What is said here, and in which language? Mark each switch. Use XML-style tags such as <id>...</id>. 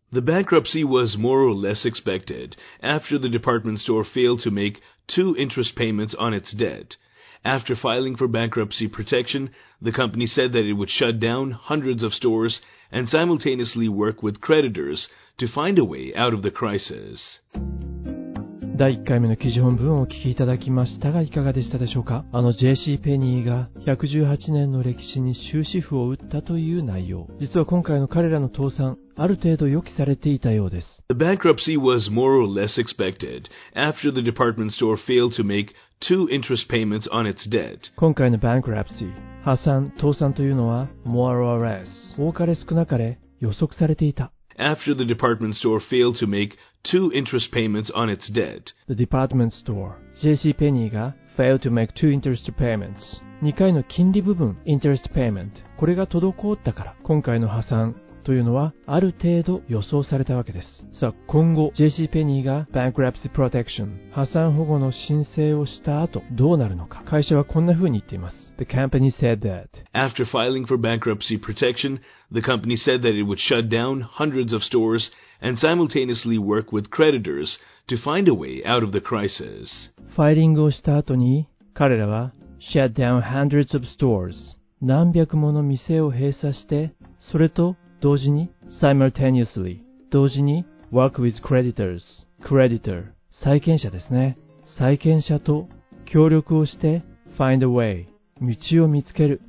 <en>The bankruptcy was more or less expected after the department store failed to make two interest payments on its debt. After filing for bankruptcy protection, the company said that it would shut down hundreds of stores and simultaneously work with creditors to find a way out of the crisis.</en> <ja>第1回目の記事本文をお聞きいただきましたが、いかがでしたでしょうか。あの JC ペニーが118年の歴史に終止符を打ったという内容、実は今回の彼らの倒産、ある程度予期されていたようです。</ja> <en>The bankruptcy was more or less expected after the department store failed to make two interest payments on its debt.</en> <ja>今回の bankruptcy 破産、倒産というのは</ja> <en>more or less</en> <ja>多かれ少なかれ予測されていた。</ja> <en>After the department store failed to make two interest payments on its debt. The department store, JC Penney が failed to make two interest payments.</en> <ja>2回の金利部分 interest payment. これが滞ったから、今回の破産というのはある程度予想されたわけです。さあ、今後 JC Penney が</ja> <en>bankruptcy protection</en> <ja>破産保護の申請をした後どうなるのか。会社はこんな風に言っています。</ja> <en>The company said that after filing for bankruptcy protection, the company said that it would shut down hundreds of stores and simultaneously work with creditors to find a way out of the crisis.</en> <ja>ファイリングをした後に彼らは</ja> <en>shut down hundreds of stores</en> <ja>何百もの店を閉鎖して、それと同時に simultaneously 同時に</ja> <en>work with creditors</en> <ja>creditor 債権者ですね。債権者と協力をして</ja> <en>find a way</en> <ja>道を見つける。</ja>